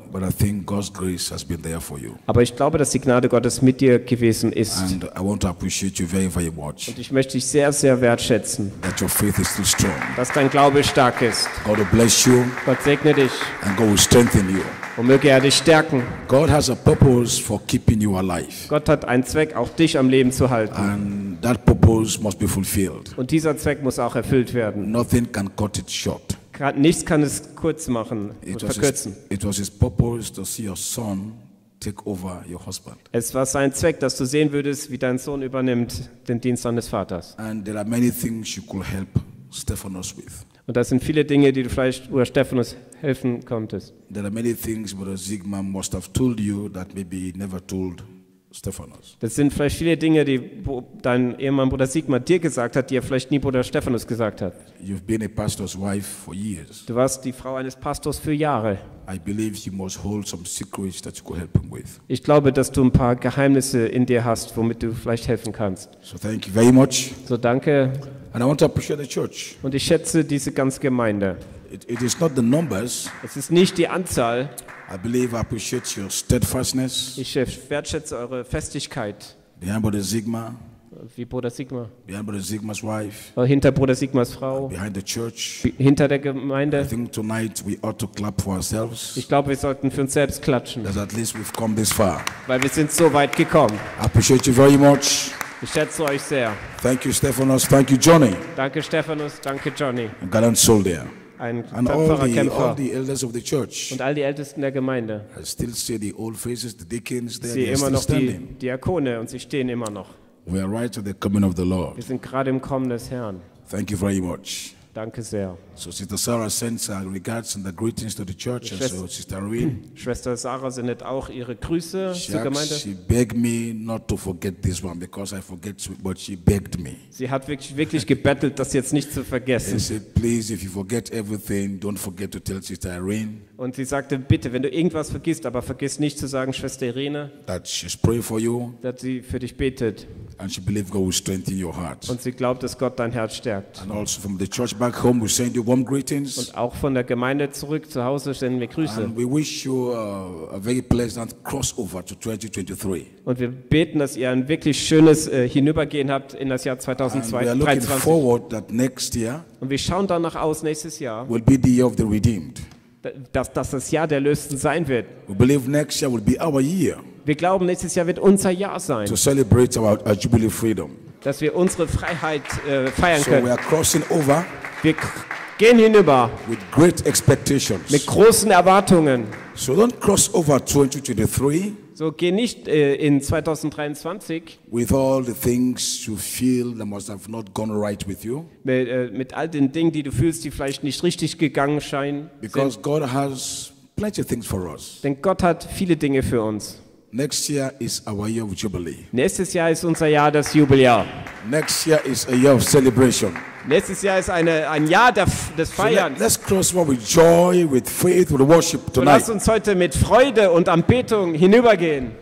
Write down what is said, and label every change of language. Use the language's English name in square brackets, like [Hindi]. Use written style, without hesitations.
[English] But I think God's grace has been there for you. [German] Aber ich glaube, dass die Gnade Gottes mit dir gewesen ist. [English] And I want to appreciate you very, very much. [German] Und ich möchte dich sehr, sehr wertschätzen, [English] that your faith is still strong. [German] Dass dein Glaube stark ist. [English] God will bless you. [German] Gott segne dich. [English] And God will strengthen you. [German] Und möge er dich stärken. [English] God has a purpose for keeping you alive. [German] Gott hat einen Zweck, auch dich am Leben zu halten. [English] And that purpose must be fulfilled. [German] Und dieser Zweck muss auch erfüllt werden. [English] Nothing can cut it short. [German] Nichts kann es kurz machen und verkürzen. [English] It was his purpose to see your son take over your husband. [German] Es war sein Zweck, dass du sehen würdest, wie dein Sohn übernimmt den Dienst seines Vaters. [English] And there are many things you could help Stephanos with. [German] Und das sind viele Dinge, die du vielleicht über Stephanos helfen konntest. [English] There are many things Brother Sigma must have told you that maybe he never told Stephanos. [German] Das sind vielleicht viele Dinge, die dein Ehemann Bruder Sigma dir gesagt hat, die er vielleicht nie Bruder Stephanos gesagt hat. [English] You've been a pastor's wife for years. [German] Du warst die Frau eines Pastors für Jahre. [English] I believe you must hold some secrets that you could help him with. [German] Ich glaube, dass du ein paar Geheimnisse in dir hast, womit du vielleicht helfen kannst. [English] So thank you very much. [German] So danke. [English] And I want to appreciate the church. [German] Und ich schätze diese ganze Gemeinde. [English] It is not the numbers. [German] Es ist nicht die Anzahl. [English] I believe I appreciate your steadfastness. [German] Ich wertschätze eure Festigkeit. [English] Behind Brother Sigma. [German] Wie Bruder Sigma. [English] Behind Brother Sigma's wife. [German] Hinter Bruder Sigmas Frau. [English] Behind the church. [German] Hinter der Gemeinde. [English] I think tonight we ought to clap for ourselves. [German] Ich glaube, wir sollten für uns selbst klatschen. [English] Because at least we've come this far. [German] Weil wir sind so weit gekommen. [English] I appreciate you very much. [German] Ich schätze euch sehr. [English] Thank you, Stephanos. Thank you, Johnny. [German] Danke, Stephanos. Danke, Johnny. [English] A gallant soldier. [German] Ein tapferer Kämpfer. [English] All the elders of the church. [German] Und all die Ältesten der Gemeinde. [English] I still see the old faces, the deacons there. [German] Sie immer noch die Diakone und sie stehen immer noch. [English] We are right at the coming of the Lord. [German] Wir sind gerade im Kommen des Herrn. [English] Thank you very much. [German] Danke sehr. [English] So Sister Sarah sends her regards and the greetings to the church. And so Sister Irene. [German] Schwester Sarah sendet auch ihre Grüße zur Gemeinde. [English] She begged me not to forget this one because I forget, but she begged me. [German] Sie hat wirklich gebettelt, das jetzt nicht zu vergessen. [English] She said, please, if you forget everything, don't forget to tell Sister Irene. [German] Und sie sagte, bitte, wenn du irgendwas vergisst, aber vergiss nicht zu sagen, Schwester Irene, [English] that she's praying for you. [German] Dass sie für dich betet. [English] And she believes God will strengthen your heart. [German] Und sie glaubt, dass Gott dein Herz stärkt. [English] And also from the church back home, we send you warm greetings. [German] Und auch von der Gemeinde zurück zu Hause senden wir Grüße. [English] And we wish you a very pleasant crossover to 2023. [German] Und wir beten, dass ihr ein wirklich schönes Hinübergehen habt in das Jahr 2023. [English] And we are looking forward that next year. [German] Und wir schauen danach aus, nächstes Jahr. [English] Will be the year of the redeemed. [German] Dass das Jahr der Erlösten sein wird. [English] We believe next year will be our year. [German] Wir glauben, nächstes Jahr wird unser Jahr sein. [English] To celebrate our jubilee freedom. [German] Dass wir unsere Freiheit feiern können. [English] So we are crossing over. [German] Wir gehen hinüber. [English] With great expectations. [German] Mit großen Erwartungen. [English] So don't cross over 2023. [German] So geh nicht in 2023. [English] With all the things you feel that must have not gone right with you. [German] Mit all den Dingen, die du fühlst, die vielleicht nicht richtig gegangen scheinen. [English] Because God has plenty of things for us. [German] Denn Gott hat viele Dinge für uns. [English] Next year is our year of jubilee. [German] Nächstes Jahr ist unser Jahr das Jubeljahr. [English] Next year is a year of celebration. [German] Nächstes Jahr ist ein Jahr des Feierns. [English] So let's cross over with joy, with faith, with worship tonight. [German] Lass uns heute mit Freude und Anbetung hinübergehen.